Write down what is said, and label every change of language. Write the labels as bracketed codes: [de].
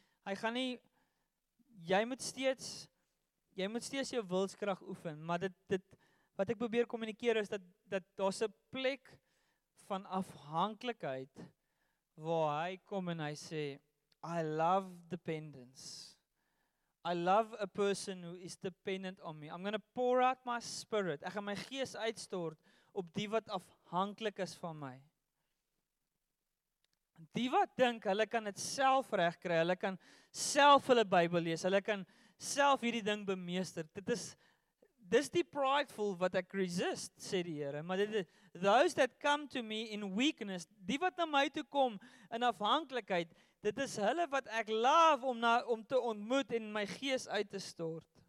[af] Hy gaan nie jy moet steeds jou wilskrag oefen, maar dit wat ek probeer kommunikeer is dat daar's 'n plek van afhanklikheid waar hy kom en hy sê, [en] I love dependence. I love a person who is dependent on me. I'm going to pour out my spirit. [af] Ek gaan my gees uitstort op die wat afhanklik is van my. Die wat dink, hulle kan het self regkry, hulle kan self hulle Bybel lees, hulle kan self hierdie ding bemeester. Dis die prideful wat ek resist, sê die Here, maar dit is, [en] those that come to me in weakness, [af] die wat na my toe kom in afhanklikheid, dit is hulle wat ek love om te ontmoet en my gees uit te stort.